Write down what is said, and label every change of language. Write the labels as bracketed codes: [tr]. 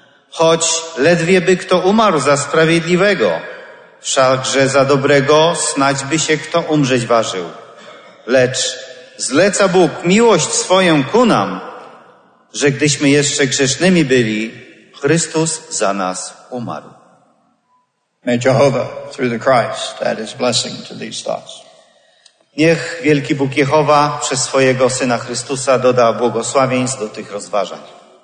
[pl] Choć ledwie by kto umarł za sprawiedliwego, wszakże za dobrego snać by się kto umrzeć ważył. Lecz zleca Bóg miłość swoją ku nam, że gdyśmy jeszcze grzesznymi byli, Chrystus za nas umarł. [en] May Jehovah, through the Christ, add his blessing to these thoughts. [pl] Niech Wielki Bóg Jehowa przez swojego Syna Chrystusa doda błogosławieństw do tych rozważań.